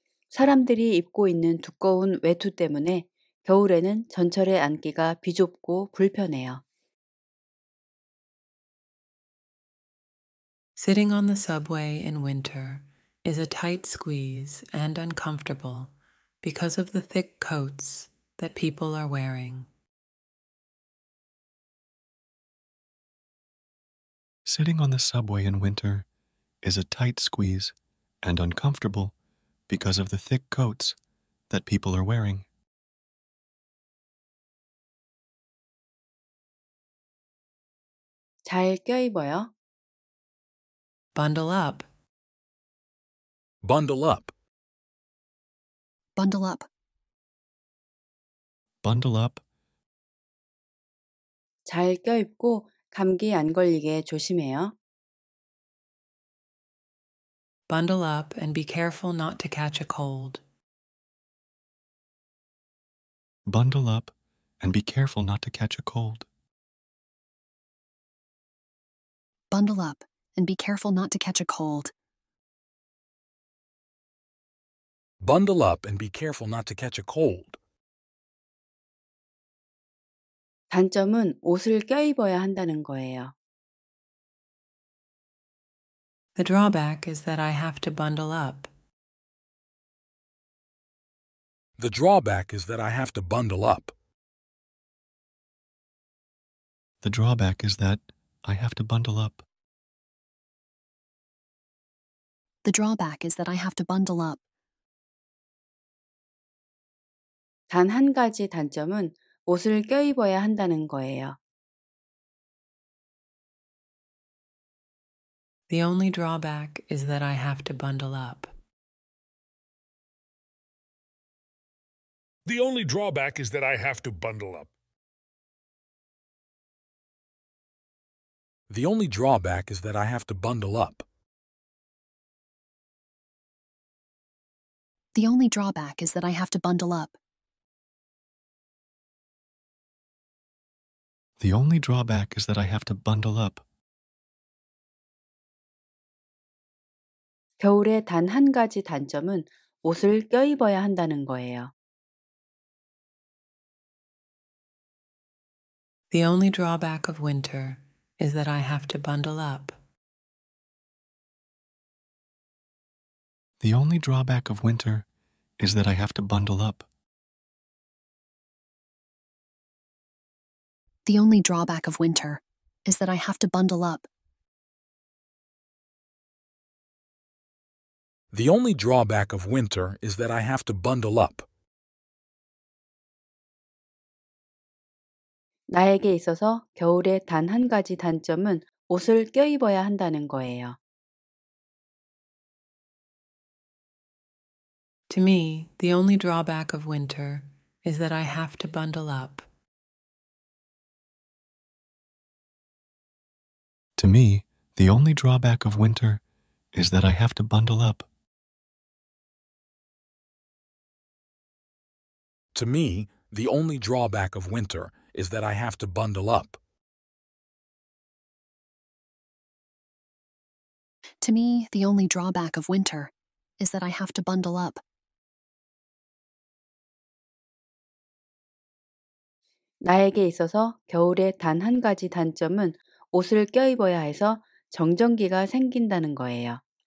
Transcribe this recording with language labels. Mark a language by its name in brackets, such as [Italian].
[Korean] 사람들이 입고 있는 두꺼운 외투 때문에 겨울에는 전철에 앉기가 비좁고 불편해요. [English] Sitting on the subway in winter is a tight squeeze and uncomfortable because of the thick coats that people are wearing. Sitting on the subway in winter is a tight squeeze and uncomfortable because of the thick coats that people are wearing. [Korean] 잘 껴입어요. [English] Bundle up. Bundle up. Bundle up. Bundle up. [Korean] 잘 껴입고 감기 안 걸리게 조심해요. [English] Bundle up and be careful not to catch a cold. Bundle up and be careful not to catch a cold. Bundle up and be careful not to catch a cold. Bundle up and be careful not to catch a cold. [Korean] 단점은 옷을 껴입어야 한다는 거예요. [English] The drawback is that I have to bundle up. The drawback is that I have to bundle up. The drawback is that I have to bundle up. The drawback is that I have to bundle up. [Korean] 단 한 가지 단점은 옷을 껴입어야 한다는 거예요. [English] The only drawback is that I have to bundle up. The only drawback is that I have to bundle up. The only drawback is that I have to bundle up. The only drawback is that I have to bundle up. The only drawback is that I have to bundle up. [Korean] 겨울의 단 한 가지 단점은 옷을 껴입어야 한다는 거예요. [English] The only drawback of winter is that I have to bundle up. The only drawback of winter is that I have to bundle up. The only drawback of winter is that I have to bundle up. The only drawback of winter is that I have to bundle up. [Korean] 나에게 있어서 겨울의 단 한 가지 단점은 옷을 껴입어야 한다는 거예요. [English] To me, the only drawback of winter is that I have to bundle up. To me, the only drawback of winter is that I have to bundle up. To me, the only drawback of winter is that I have to bundle up. To me, the only drawback of winter is that I have to bundle up. [Korean] 나에게 있어서 겨울의 단 한 가지 단점은 옷을 껴입어야 해서 정전기가 생긴다는 거예요.